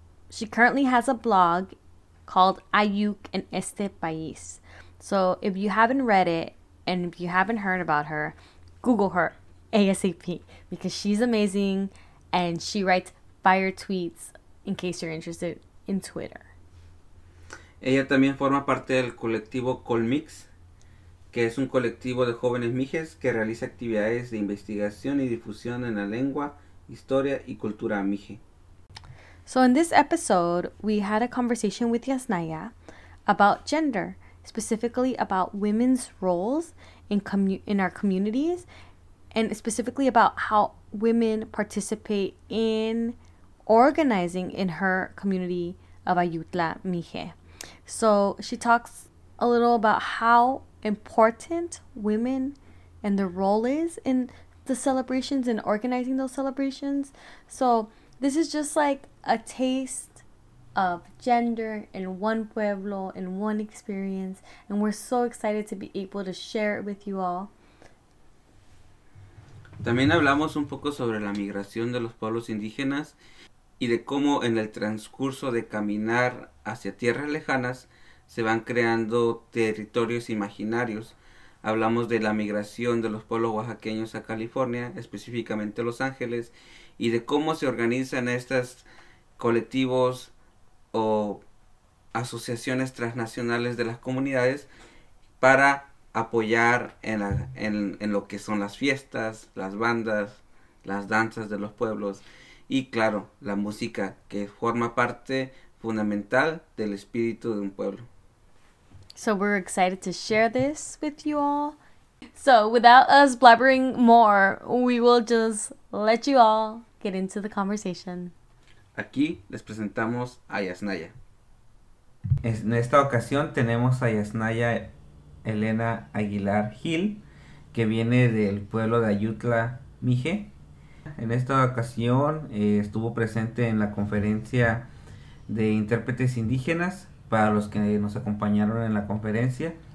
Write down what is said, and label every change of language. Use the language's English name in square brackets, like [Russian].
[English] She currently has a blog called Ayuk en Este País. So if you haven't read it and if you haven't heard about her, Google her ASAP because she's amazing and she writes fire tweets in case you're interested in Twitter. [Spanish] Ella también forma parte del colectivo Colmix, que es un colectivo de jóvenes mijes que realiza actividades de investigación y difusión en la lengua, historia y cultura mije. [English] So in this episode, we had a conversation with Yasnaya about gender, specifically about women's roles in our communities, and specifically about how women participate in organizing in her community of Ayutla Mije. So she talks a little about how important women and their role is in the celebrations and organizing those celebrations. So this is just like a taste of gender in one pueblo, in one experience, and we're so excited to be able to share it with you all. [Spanish] También hablamos un poco sobre la migración de los pueblos indígenas y de cómo en el transcurso de caminar hacia tierras lejanas se van creando territorios imaginarios. Hablamos de la migración de los pueblos oaxaqueños a California, específicamente Los Ángeles, y de cómo se organizan estas colectivos o asociaciones transnacionales de las comunidades para apoyar en lo que son las fiestas, las bandas, las danzas de los pueblos y claro, la música que forma parte fundamental del espíritu de un pueblo. [English] So we're excited to share this with you all. So without us blabbering more, we will just let you all get into the conversation. [Spanish] Aquí les presentamos a Yasnaya. En esta ocasión tenemos a Yasnaya Elena Aguilar Gil, que viene del pueblo de Ayutla Mije. En esta ocasión estuvo presente en la conferencia de intérpretes indígenas para los que nos acompañaron en la conferencia.